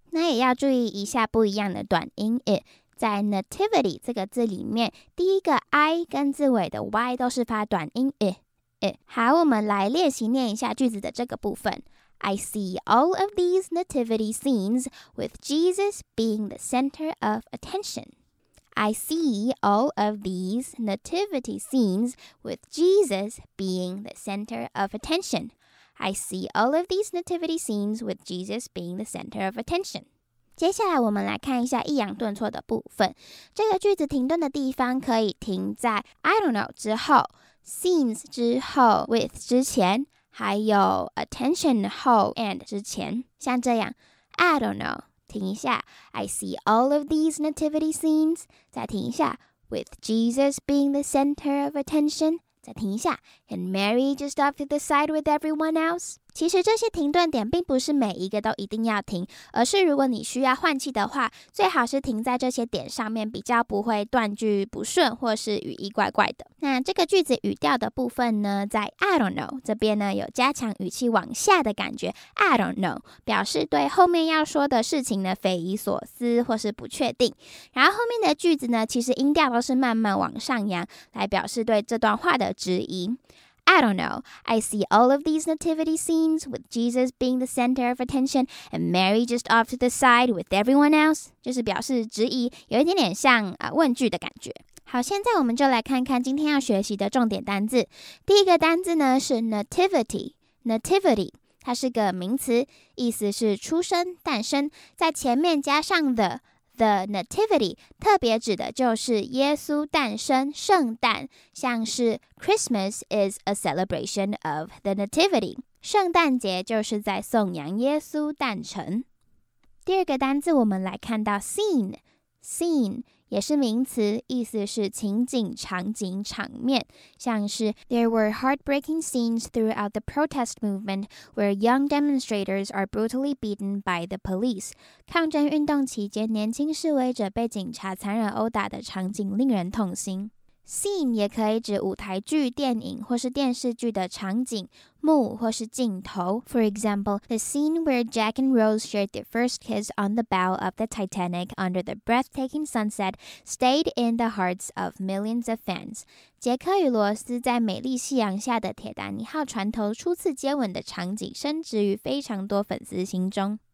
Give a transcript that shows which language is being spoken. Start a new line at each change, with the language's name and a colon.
Chinese: 那也要注意一下不一样的短音 it。在 nativity 这个字里面，第一个 I 跟字尾的 Y 都是发短音 it。好，我们来练习念一下句子的这个部分。
English: I see all of these nativity scenes with Jesus being the center of attention. I see all of these nativity scenes with Jesus being the center of attention. I see all of these nativity scenes with Jesus being the center of attention.
Chinese: 接下来我们来看一下抑扬顿挫的部分。这个句子停顿的地方可以停在
English: I don't know
Chinese: 之后， scenes 之后， with 之前，还有 attention 后 and 之前。像这样
English: I don't know
Chinese: 停一下，
English: I see all of these nativity scenes
Chinese: 再停一下，
English: with Jesus being the center of attention.
Chinese: 再停一下
English: and Mary just off to the side with everyone else.
Chinese: 其实这些停顿点并不是每一个都一定要停，而是如果你需要换气的话，最好是停在这些点上面，比较不会断句不顺或是语义怪怪的。那这个句子语调的部分呢，在
English: I don't know
Chinese: 这边呢有加强语气往下的感觉。
English: I don't know
Chinese: 表示对后面要说的事情呢匪夷所思或是不确定，然后后面的句子呢其实音调都是慢慢往上扬，来表示对这段话的质疑。
English: I don't know. I see all of these nativity scenes with Jesus being the center of attention and Mary just off to the side with everyone else.
Chinese: 就是表示质疑，有一点点像问句的感觉。好，现在我们就来看看今天要学习的重点单字。第一个单字呢是 nativity. Nativity 它是个名词，意思是出生、诞生，在前面加上 the。 The Nativity 特别指的就是耶稣诞生圣诞，像是
English: Christmas is a celebration of the Nativity，
Chinese: 圣诞节就是在颂扬耶稣诞辰。第二个单字我们来看到
English: scene
Chinese: 也是名词，意思是情景、场景、场面，像是
English: There were heartbreaking scenes throughout the protest movement where young demonstrators are brutally beaten by the police.
Chinese: 抗争运动期间，年轻示威者被警察残忍殴打的场景令人痛心。 Scene 也可以指舞台剧、电影或是电视剧的场景、幕或是镜头。
English: For example, the scene where Jack and Rose shared their first kiss on the bow of the Titanic under the breathtaking sunset stayed in the hearts of millions of fans.
Chinese: 杰克与罗斯在美丽夕阳下的铁达尼号船头初次接吻的场景深植于非常多粉丝心中。